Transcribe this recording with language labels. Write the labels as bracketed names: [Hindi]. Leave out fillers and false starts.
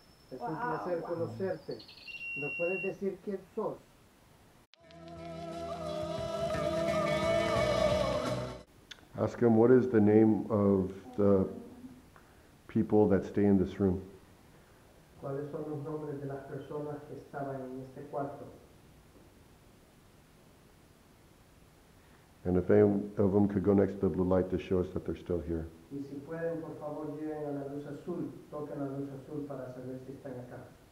[Spanish] Es un placer conocerte. ¿No puedes decir quién sos? [English] Ask him, what is the name of the people that stay in this room? [Spanish] ¿Cuáles son los nombres de las personas que estaban en este cuarto? [English] And if any of them could go next to the blue light to show us that they're still here. [Spanish] Y si pueden, por favor, lleguen a la luz azul, toquen la luz azul para saber si están acá.